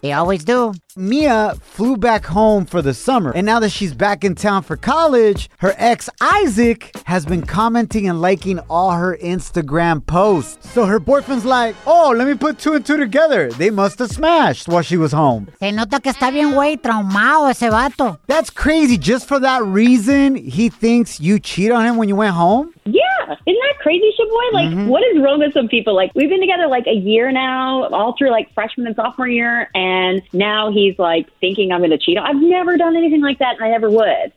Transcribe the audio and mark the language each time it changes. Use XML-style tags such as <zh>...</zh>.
<en>They always do. Mia flew back home for the summer, and now that she's back in town for college, her ex Isaac has been commenting and liking all her Instagram posts. So her boyfriend's like, oh, let me put two and two together. They must have smashed while she was home.</en> <es>Se nota que está bien güey traumado ese vato.</es> <en>That's crazy. Just for that reason, he thinks you cheated on him when you went home? Yeah. Isn't that crazy, Shaboy? Like, What is wrong with some people? Like, we've been together like a year now, all through like freshman and sophomore year, and now he's like thinking I'm going to cheat. I've never done anything like that, and I never would.</en>